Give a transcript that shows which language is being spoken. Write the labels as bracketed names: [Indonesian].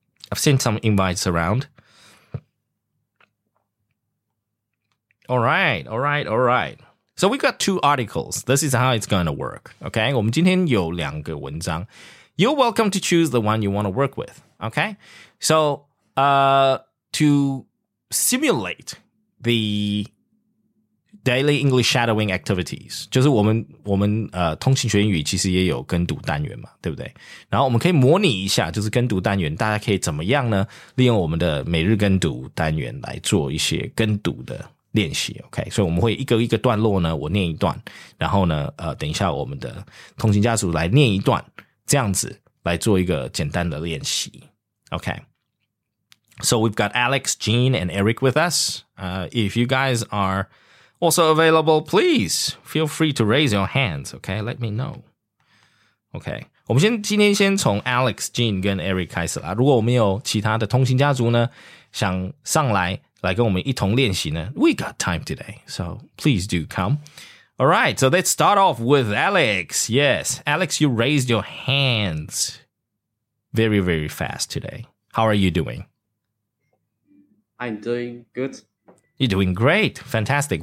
[English] I've sent some invites around. All right. So we've got two articles. This is how it's going to work. [Chinese] Okay? 我们今天有两个文章. [English] You're welcome to choose the one you want to work with. Okay? So, to simulate the daily English shadowing activities, [Chinese] 就是我们通勤学英语其实也有跟读单元嘛,对不对? 然后我们可以模拟一下,就是跟读单元,大家可以怎么样呢?利用我们的每日跟读单元来做一些跟读的 练习, okay? 所以我们会一个一个段落呢, 我念一段, 然后呢, 等一下我们的通勤家属来念一段, 这样子来做一个简单的练习, okay? [English] So we've got Alex, Jean, and Eric with us. If you guys are also available, please feel free to raise your hands, okay? Let me know. [Chinese] Okay, 我们今天先从 Alex, Jean 跟 Eric 开始啦, 如果我们有其他的通勤家属呢, 想上来, 来跟我们一同练习呢? [English] We got time today, so please do come. All right, so let's start off with Alex. Yes, Alex, you raised your hands very, very fast today. How are you doing? I'm doing good. You're doing great. Fantastic.